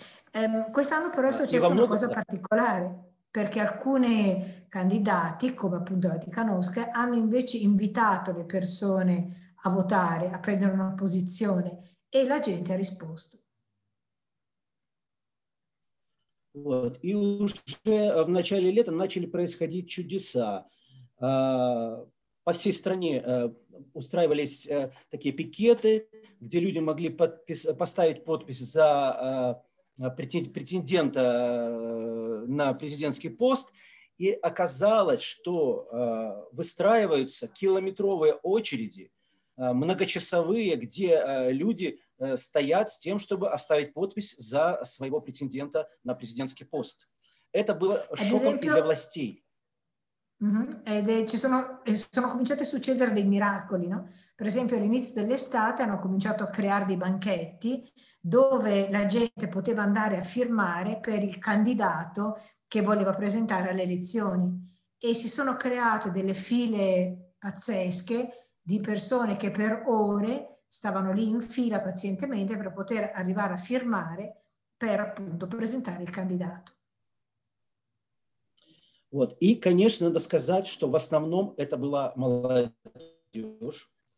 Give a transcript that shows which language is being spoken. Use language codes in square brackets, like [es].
[it] Quest'anno però è successa una cosa particolare, perché alcuni candidati, come appunto la Tikhanovskaya, hanno invece invitato le persone a votare, a prendere una posizione, e la gente ha risposto. [ru] Вот. И уже в начале лета начали происходить чудеса. По всей стране устраивались такие пикеты, где люди могли поставить подпись за претендента на президентский пост. И оказалось, что выстраиваются километровые очереди, многочасовые, где люди стоят с тем, чтобы оставить подпись за своего претендента на президентский пост. Это было шоком для властей. [it] Sono cominciati a succedere dei miracoli, no? Per esempio all'inizio dell'estate hanno cominciato a creare dei banchetti dove la gente poteva andare a firmare per il candidato che voleva presentare alle elezioni, e si sono create delle file pazzesche di persone che per ore stavano lì in fila pazientemente per poter arrivare a firmare per appunto presentare il candidato. [ru] Вот. И, конечно, надо сказать, что в основном это была молодежь.